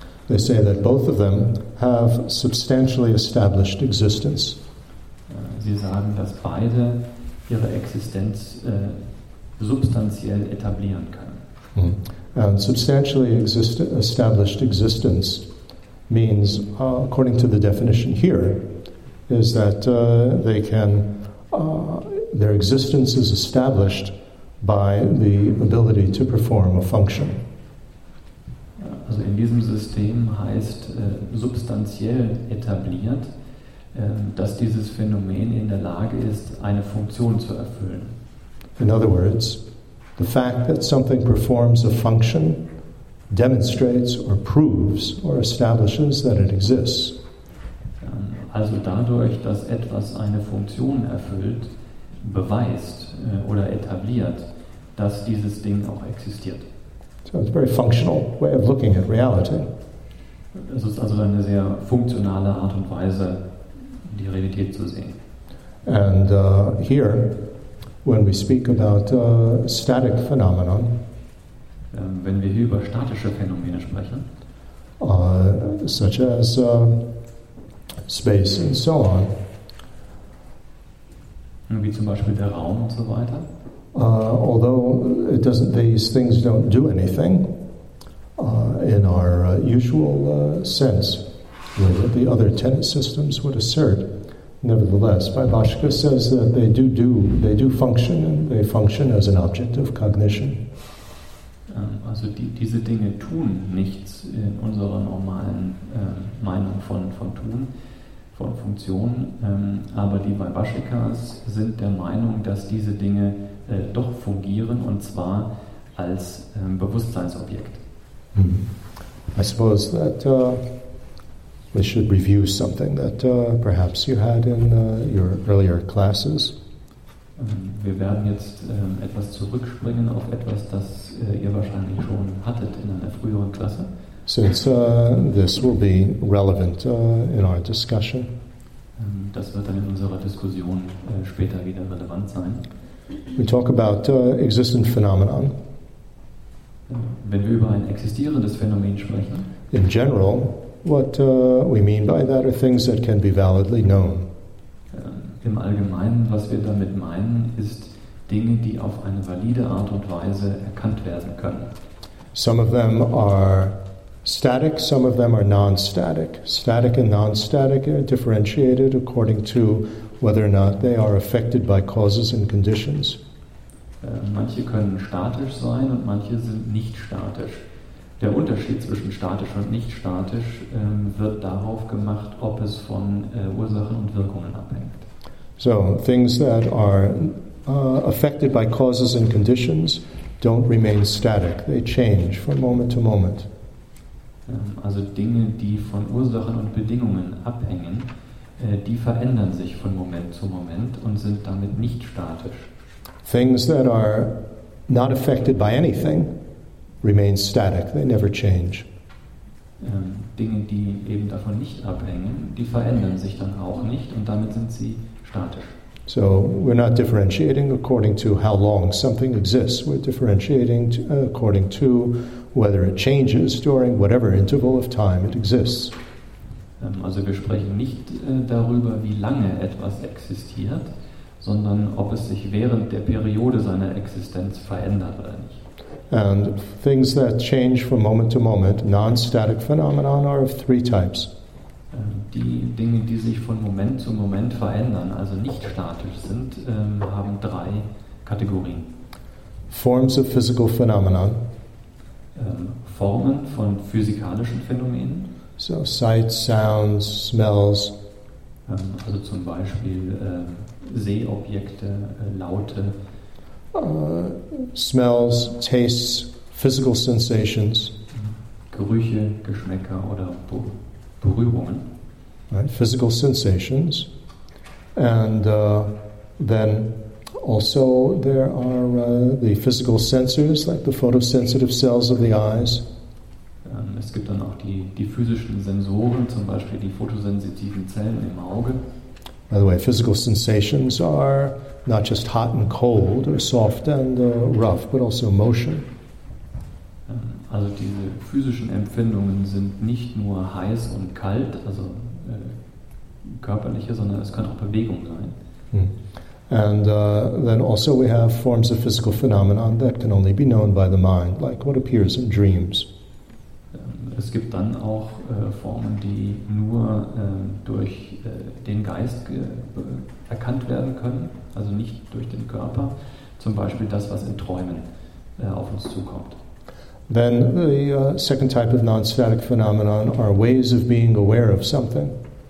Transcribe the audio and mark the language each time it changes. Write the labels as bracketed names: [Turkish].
[English] They say that both of them have substantially established existence. [German] Sie sagen, dass beide ihre Existenz substanziell etablieren können. [English] And substantially established existence means, according to the definition here, is that they can their existence is established by the ability to perform a function. [German] Also in diesem System heißt substanziell etabliert, dass dieses Phänomen in der Lage ist, eine Funktion zu erfüllen. [English] In other words, the fact that something performs a function demonstrates or proves or establishes that it exists. [German] Also dadurch, dass etwas eine Funktion erfüllt, beweist oder etabliert, dass dieses Ding auch existiert. [English] So it's a very functional way of looking at reality. [German] Es ist also eine sehr funktionale Art und Weise, die Realität zu sehen. [English] And here, when we speak about static phenomena, [German] wenn wir hier über statische Phänomene sprechen, [English] such as space and so on, [German] wie zum Beispiel der Raum und so weiter. [English] Although it doesn't, these things don't do anything in our usual sense, where the other tenet systems would assert. Nevertheless, Vaibhashika says that they do function, and they function as an object of cognition. [German] Also diese Dinge tun nichts in unserer normalen Meinung von tun. Von Funktionen, aber die Vaibhashikas sind der Meinung, dass diese Dinge doch fungieren, und zwar als Bewusstseinsobjekt. [English] I suppose that we should review something that perhaps you had in your earlier classes. [German] Wir werden jetzt etwas zurückspringen auf etwas, das ihr wahrscheinlich schon hattet in einer früheren Klasse. [English] Since this will be relevant in our discussion. [German] Das wird dann in unserer Diskussion später wieder relevant sein. [English] We talk about existent phenomena. [German] Wenn wir über ein existierendes Phänomen sprechen. [English] In general, what we mean by that are things that can be validly known. [German] Im Allgemeinen, was wir damit meinen, ist Dinge, die auf eine valide Art und Weise erkannt werden können. [English] Some of them are static, some of them are non-static. Static and non-static are differentiated according to whether or not they are affected by causes and conditions. [German] Manche können statisch sein und manche sind nicht statisch. Der Unterschied zwischen statisch und nicht statisch wird darauf gemacht, ob es von Ursachen und Wirkungen abhängt. [English] So, things that are affected by causes and conditions don't remain static. They change from moment to moment. [German] Also Dinge, die von Ursachen und Bedingungen abhängen, die verändern sich von Moment zu Moment und sind damit nicht statisch. [English] Things that are not affected by anything remain static. They never change. [German] Dinge, die eben davon nicht abhängen, die verändern sich dann auch nicht und damit sind sie statisch. [English] So we're not differentiating according to how long something exists. We're differentiating according to whether it changes during whatever interval of time it exists. [German] Also wir sprechen nicht darüber, wie lange etwas existiert, sondern ob es sich während der Periode seiner Existenz verändert oder nicht. [English] And things that change from moment to moment, non-static phenomena, are of three types. [German] Die Dinge, die sich von Moment zu Moment verändern, also nicht statisch sind, haben drei Kategorien. [English] Forms of physical phenomena. [German] Formen von physikalischen Phänomenen. [English] So sights, sounds, smells. [German] Also zum Beispiel Sehobjekte, Laute. [English] Smells, tastes, physical sensations. [German] Gerüche, Geschmäcker oder Berührungen. [English] Right, physical sensations. And then also there are the physical sensors, like the photosensitive cells of the eyes. [German] Es gibt dann auch die physischen Sensoren, zum Beispiel die photosensitiven Zellen im Auge. [English] By the way, physical sensations are not just hot and cold or soft and rough, but also motion. [German] Also diese physischen Empfindungen sind nicht nur heiß und kalt, also körperliche, sondern es kann auch Bewegung sein. [English] And then also we have forms of physical phenomena that can only be known by the mind, like what appears in dreams. [German] Es gibt dann auch Formen, die nur durch den Geist erkannt werden können, also nicht durch den Körper, zum Beispiel das, was in Träumen auf uns zukommt. [English] Then the second type of non-static phenomenon are ways of being aware of something.